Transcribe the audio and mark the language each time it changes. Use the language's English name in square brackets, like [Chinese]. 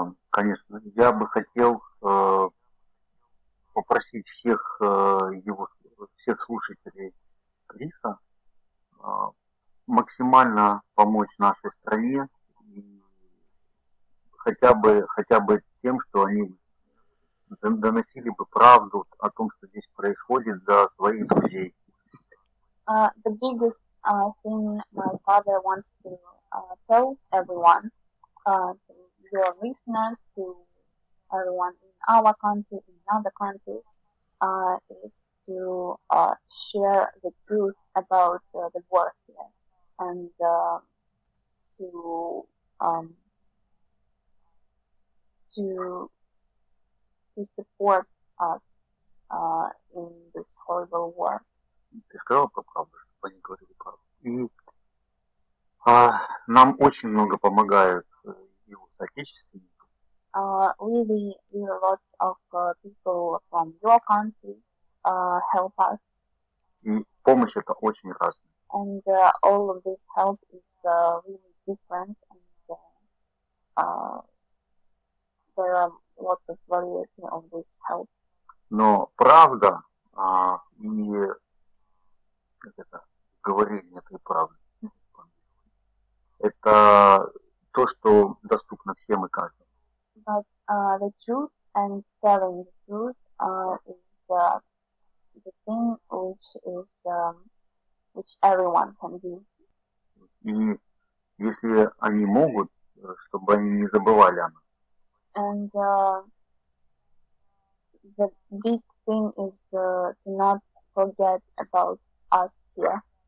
[Russian] Конечно, я бы хотел попросить всех его всех слушателей Криса максимально помочь нашей стране и хотя бы тем, что они доносили бы правду о том, что здесь происходит, до своих друзей. [English] The biggest thing my father wants to tell everyone, to your listeners, to everyone in our country, in other countries, is to share the truth about the war here, and to support us in this horrible war. [Russian] Ты сказал про правду, чтобы они говорили правду. И нам очень много помогают его соотечественники. [English] Really, there are lots of people from your country help us. [Russian] И помощь это очень разная. [English] And all of this help is really different. And there are lots of variety of this help. [Russian] Но правда и говорение этой правды. Это то, что доступно всем и каждому. [English] But the truth and telling the truth is the thing which is which everyone can do. [Russian] И если они могут, чтобы они не забывали о нас. [English] And the big thing is to not forget about us here.